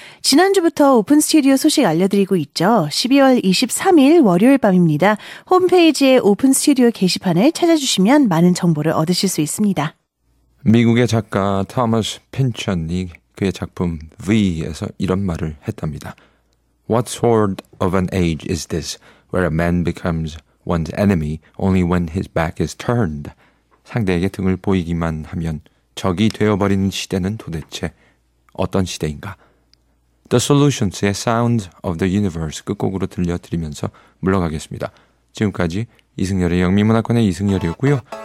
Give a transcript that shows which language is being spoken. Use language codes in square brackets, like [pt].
[ko] 지난주부터 오픈 스튜디오 소식 알려드리고 있죠. 12월 23일 월요일 밤입니다. 홈페이지에 오픈 스튜디오 게시판을 찾아주시면 많은 정보를 얻으실 수 있습니다. 미국의 작가 토머스 핀천이 그의 작품 V에서 이런 말을 했답니다. [en] What sort of an age is this where a man becomes one's enemy only when his back is turned? [ko] 상대에게 등을 보이기만 하면 적이 되어버리는 시대는 도대체 어떤 시대인가? The Solutions의 Sounds of the Universe 끝곡으로 들려드리면서 물러가겠습니다. 지금까지 이승열의 영미문학관의 이승열이었고요.